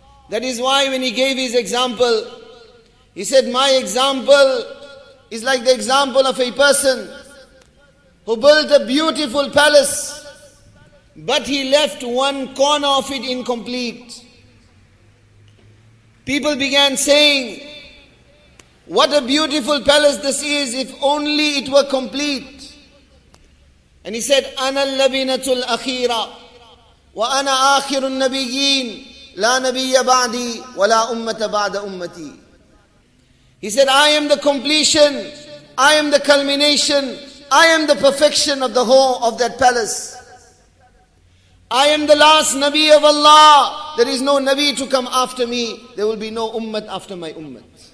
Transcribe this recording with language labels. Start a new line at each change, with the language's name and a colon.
English: That is why when he gave his example, he said, my example is like the example of a person who built a beautiful palace, but he left one corner of it incomplete. People began saying, what a beautiful palace this is, if only it were complete.
Arabic: And he said, أَنَا اللَّبِنَةُ الْأَخِيرَةُ وَأَنَا آخِرُ النَّبِيِّينَ لَا نَبِيَّ بَعْدِي وَلَا أُمَّةَ بَعْدَ أُمَّتِي.
English: He said, I am the completion, I am the culmination, I am the perfection of the whole of that palace. I am the last Nabi of Allah. There is no Nabi to come after me. There will be no Ummat after my Ummat.